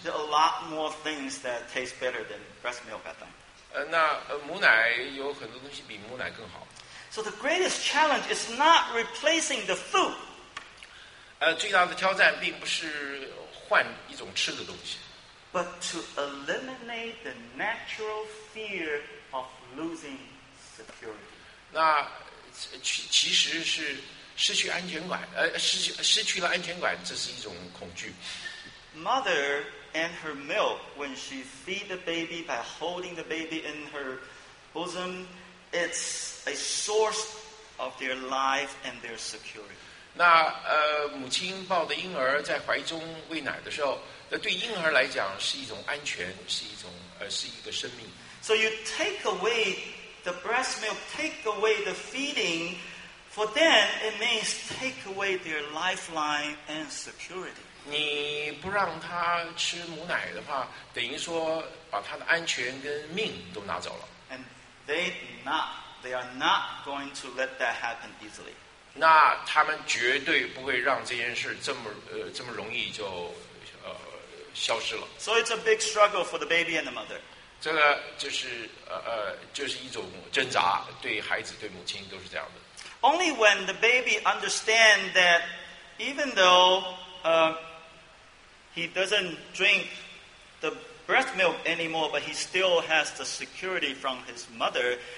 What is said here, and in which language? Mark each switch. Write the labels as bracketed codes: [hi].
[en] There are a lot more things that taste better than breast milk at them. [zh] 母奶有很多东西比母奶更好。 [en] So the greatest challenge is not replacing the food. [zh] 最大的挑战并不是换一种吃的东西。 [en] But to eliminate the natural fear of losing security. [zh] 那其实是失去安全感，失去了安全感，这是一种恐惧。 [en] Mother and her milk, when she feed the baby by holding the baby in her bosom. It's a source of their life and their security. [zh] 那母亲抱着婴儿在怀中喂奶的时候，那对婴儿来讲是一种安全，是一种是一个生命。 [en] So you take away the breast milk, take away the feeding, for them it means take away their lifeline and security. [zh] 你不让他吃母奶的话，等于说把他的安全跟命都拿走了。 [en] They are not going to let that happen easily. [zh] 那他们绝对不会让这件事这么容易就消失了。 [en] So it's a big struggle for the baby and the mother. [zh] 这个就是一种挣扎，对孩子对母亲都是这样的。 [en] Only when the baby understands that even though he doesn't drink the breast milk anymore, but he still has the security from his mother.